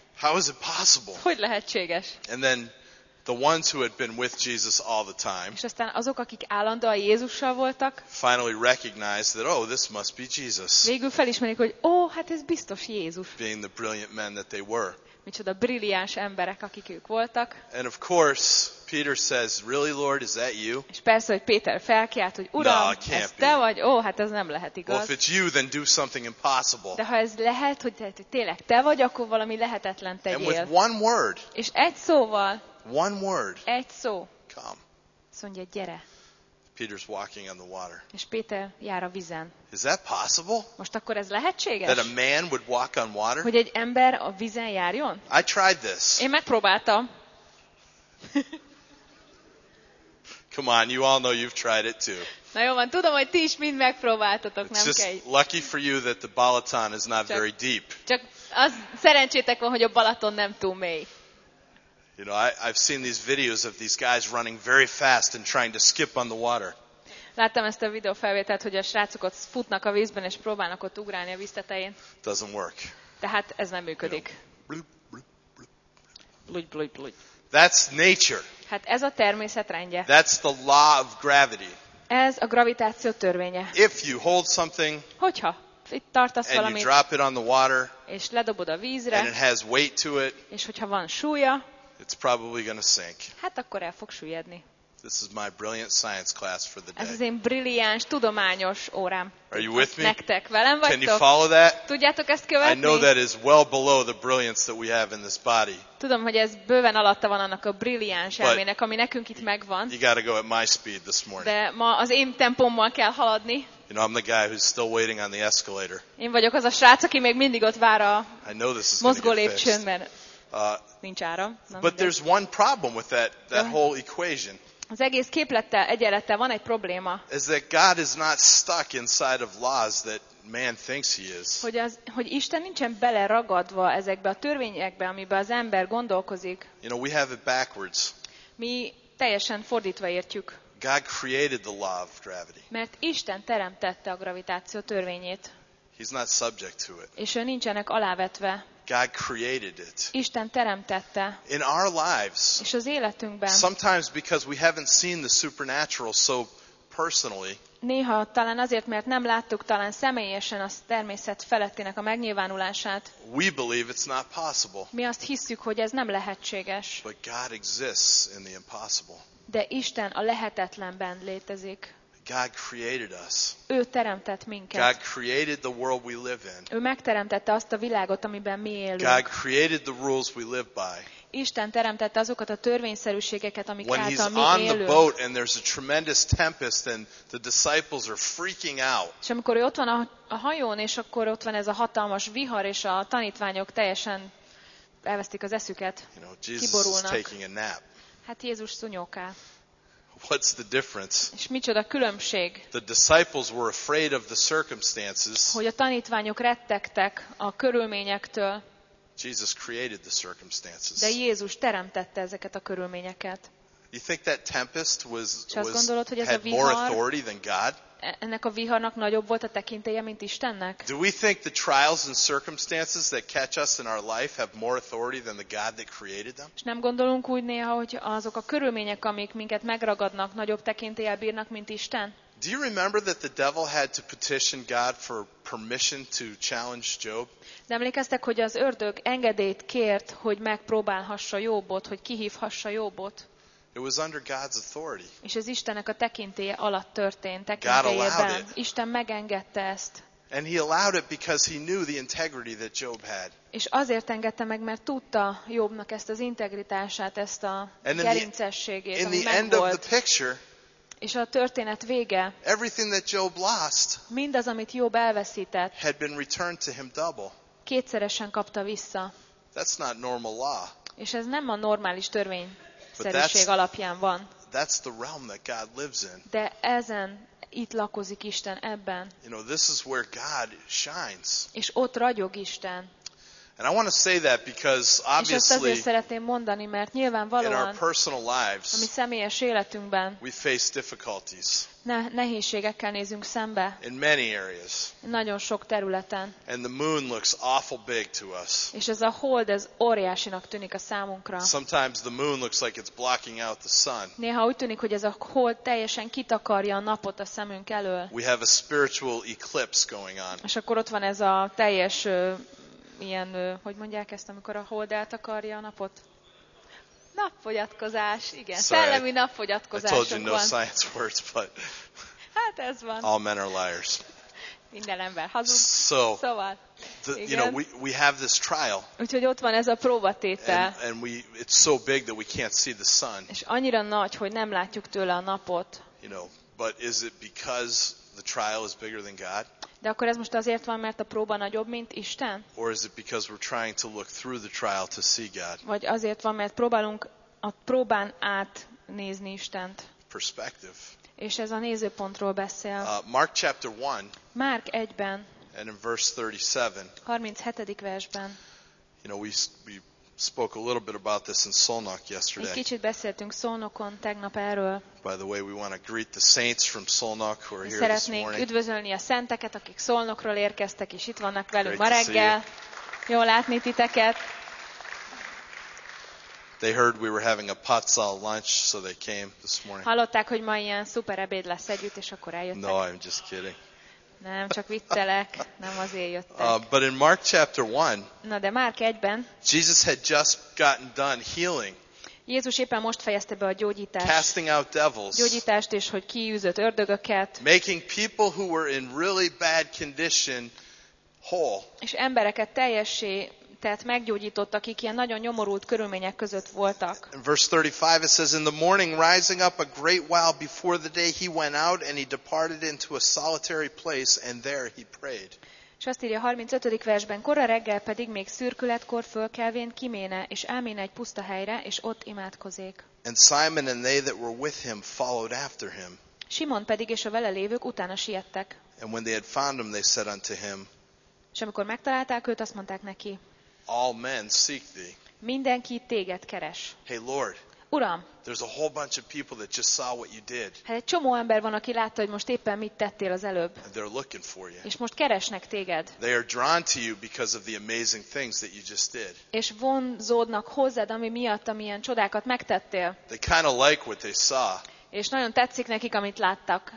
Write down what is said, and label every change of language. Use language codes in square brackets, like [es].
[en] How is it possible? [hu] Hogy lehetséges? [en] And then the ones who had been with Jesus all the time. [hu] És aztán azok, akik állandóan Jézussal voltak. [en] Finally recognized that, oh, this must be Jesus. [hu] Végül felismerik, hogy ó, hát ez biztos Jézus. [en] Being the brilliant men that they were. [hu] Micsoda brilliáns emberek, akik ők voltak. [en] And of course, Peter says, really, Lord, is that you? [hu] És persze, hogy Péter felkiált, hogy Uram, ez te vagy? Ó, hát ez nem lehet igaz. [en] Well, if it's you, then do something impossible. [hu] De ha ez lehet, hogy tényleg te vagy, akkor valami lehetetlen tegyél. [en] And with one word. [hu] És egy szóval. [en] One word. [hu] Egy szó. [en] Come. [hu] Szóval, gyere. [en] Peter's walking on the water. [hu] És Péter jár a vízen. [en] Is that possible? [hu] Most akkor ez lehetséges? [en] That a man would walk on water? [hu] Hogy egy ember a vízen járjon? [en] I tried this. [hu] Én megpróbáltam. [en] Come on, you all know you've tried it too. [hu] Na jó, van, tudom, hogy ti is mind megpróbáltatok, [en] it's [hu] nem [en] just lucky for you that the Balaton is not very deep. [hu] Csak az szerencsétek van, hogy a Balaton nem túl mély. [en] You know, I've seen these videos of these guys running very fast and trying to skip on the water. [hu] Láttam ezt a videó felvételt, hogy a srácok ott futnak a vízben és próbálnak ott ugrálni a víz tetején. [en] Doesn't work. [hu] Tehát ez nem működik. Blub. [en] That's nature. [hu] Hát ez a természet rendje. [en] That's the law of gravity. [hu] Ez a gravitáció törvénye. [en] If you hold something, [hu] hogyha itt tartasz [en] and [hu] valamit, [en] you drop it on the water, [hu] és ledobod a vízre, [en] and it has weight to it, [hu] és hogyha van súlya, [en] it's probably going to sink. [hu] Hát akkor el fog süllyedni. [en] This is my brilliant science class for the day. [hu] Ez az én brilliáns tudományos órám. [en] Are you with me? [hu] Nektek, velem vagytok? [en] Can you follow that? [hu] Tudjátok ezt követni? [en] I know that is well below the brilliance that we have in this body. [hu] Tudom, hogy ez bőven alatta van annak a brilliáns elmének, ami nekünk itt megvan. [en] You got to go at my speed this morning. [hu] De ma az én tempómmal kell haladni. [en] You know, I'm the guy who's still waiting on the escalator. [hu] Én vagyok az a srác, aki még mindig ott vár a mozgó lépcsőn, mert nincs áram. [en] But there's one problem with that whole equation. [hu] Az egész képlettel, egyenlettel van egy probléma. [en] Is that God is not stuck inside of laws that man thinks he is. [hu] Hogy Isten nincsen beleragadva ezekbe a törvényekbe, amiben az ember gondolkozik. [en] You know, we have it backwards. [hu] Mi teljesen fordítva értjük. [en] God created the law of gravity. [hu] Mert Isten teremtette a gravitáció törvényét. [en] He's not subject to it. [hu] És ő nincsenek alávetve. [en] God created it. [hu] Isten teremtette. [en] In our lives. [hu] És az életünkben. [en] Sometimes because we haven't seen the supernatural so personally. [hu] Néha talán azért, mert nem láttuk talán személyesen a természet felettinek a megnyilvánulását. [en] We believe it's not possible. [hu] Mi azt hisszük, hogy ez nem lehetséges. [en] But God exists in the impossible. [hu] De Isten a lehetetlenben létezik. [en] God created us. [hu] Ő teremtett minket. [en] God created the world we live in. [hu] Ő megteremtette azt a világot, amiben mi élünk. [en] God created the rules we live by. [hu] Isten teremtette azokat a törvényszerűségeket, amik [en] when [hu] által mi élünk. [en] When he's on the boat and there's a tremendous tempest and the disciples are freaking out. [hu] És amikor ő ott van a hajón, és akkor ott van ez a hatalmas vihar, és a tanítványok teljesen elvesztik az eszüket, [en] you know, Jesus [hu] kiborulnak. [en] Is taking a nap. [hu] Hát Jézus szunyókál. [en] What's the difference? [hu] És micsoda különbség? [en] The disciples were afraid of the circumstances. [hu] Hogy a tanítványok rettegtek a körülményektől. [en] Jesus created the circumstances. [hu] De Jézus teremtette ezeket a körülményeket. [en] You think that tempest was [hu] gondolod, hogy ez [en] had [hu] a vihar, [en] more authority than God? [hu] Ennek a viharnak nagyobb volt a tekintélye, mint Istennek? [en] Do we think the trials and circumstances that catch us in our life have more authority than the God that created them? [hu] És nem gondolunk úgy néha, hogy azok a körülmények, amik minket megragadnak, nagyobb tekintélye bírnak, mint Isten? [en] Do you remember that the devil had to petition God for permission to challenge Job? [hu] De emlékeztek, hogy az ördög engedélyt kért, hogy megpróbálhassa Jobot, hogy kihívhassa Jobot? [en] It was under God's authority. [hu] És ez Istennek a tekintélye alatt történt, tekintélyében. Isten megengedte ezt. [en] And he allowed it because he knew the integrity that Job had. [hu] És azért engedte meg, mert tudta Jobnak ezt az integritását, ezt a gerincességét, ami megvolt. [en] Picture, [hu] és a történet vége. [en] Everything that Job lost. [hu] Mindaz, amit Job elveszített. [en] Had been returned to him double. [hu] Kétszeresen kapta vissza. [en] That's not normal law. [hu] És ez nem a normális törvény. Szerűség alapján van. [en] That's the realm that God lives in. [hu] De ezen itt lakozik Isten ebben. [en] You know, this is where God shines. [hu] És ott ragyog Isten. [en] And I want to say that because obviously [hu] mondani, mert [en] in our personal lives we face difficulties. [hu] Nehézségekkel nézünk szembe. [en] In many areas. [hu] Nagyon sok területen. [en] And the moon looks awful big to us. [hu] És ez a hold, ez óriásinak tűnik a számunkra. [en] Sometimes the moon looks like it's blocking out the sun. [hu] Néha úgy tűnik, hogy ez a hold teljesen kitakarja a napot a szemünk elől. [en] We have a spiritual eclipse going on. [hu] És akkor ott van ez a teljes ilyen, hogy mondják ezt, amikor a hold eltakarja a napot? Napfogyatkozás, igen. Szellemi napfogyatkozások van. [en] I told you no science words, but [hu] hát ez van. [en] All men are liars. [hu] Minden ember hazug. Szóval. [en] You know, we have this trial. [hu] Úgyhogy ott van ez a próbatétel. [en] And we, it's so big that we can't see the sun. [hu] És annyira nagy, hogy nem látjuk tőle a napot. [en] You know, but is it because the trial is bigger than God? [hu] De akkor ez most azért van, mert a próba nagyobb, mint Isten? [en] Or is it because we're trying to look through the trial to see God? [hu] Vagy azért van, mert próbálunk a próbán átnézni Istent? [en] Perspective. [hu] És ez a nézőpontról beszél. [en] Mark chapter 1. [hu] Mark 1-ben. [en] And in verse 37. [hu] 37. versben. [en] You know, we spoke a little bit about this in Szolnok yesterday. [hu] Egy kicsit beszéltünk Szolnokon tegnap erről. [en] By the way, we want to greet the saints from Szolnok who are here. [hu] Szeretnénk üdvözölni a szenteket, akik Szolnokról érkeztek és itt vannak velünk ma reggel. Jó látni titeket. [en] They heard we were having a potsal lunch, so they came this morning. [hu] Hallották, hogy ma ilyen szuper ebéd lesz együtt, és akkor eljöttek. [en] No, I'm just kidding. [hu] Nem, csak viccelek, nem azért jöttek. [en] But in Mark chapter 1. [hu] Na de Mark 1-ben. [en] Jesus had just gotten done healing. [hu] Jézus éppen most fejezte be a gyógyítást. [en] Casting out devils. [hu] Gyógyítást és hogy kiűzött ördögöket. [en] Making people who were in really bad condition whole. [hu] És embereket teljessé tehát meggyógyított, akik ilyen nagyon nyomorult körülmények között voltak. [en] In verse 35 it says, in the morning, rising up a great while before the day, he went out and he departed into a solitary place, and there he prayed. [hu] És azt írja a 35. versben, korra reggel pedig még szürkületkor fölkelvén kiméne, és elméne egy puszta helyre, és ott imádkozék. [en] And Simon and they that were with him followed after him. [hu] Simon pedig és a vele lévők utána siettek. [en] And when they had found him, they said unto him, [hu] és amikor megtalálták őt, azt mondták neki, [en] all men seek thee. [hu] Mindenki téged keres. [en] Hey Lord. [hu] Uram. [en] There's a whole bunch of people that just saw what you did. [hu] Hát egy csomó ember van, aki látta, hogy most éppen mit tettél az előbb. [en] And they're looking for you. [hu] És most keresnek téged. [en] They are drawn to you because of the amazing things that you just did. [hu] És vonzódnak hozzád, ami miatt, amilyen csodákat megtettél. [en] They kind of like what they saw. [hu] És nagyon tetszik nekik, amit láttak.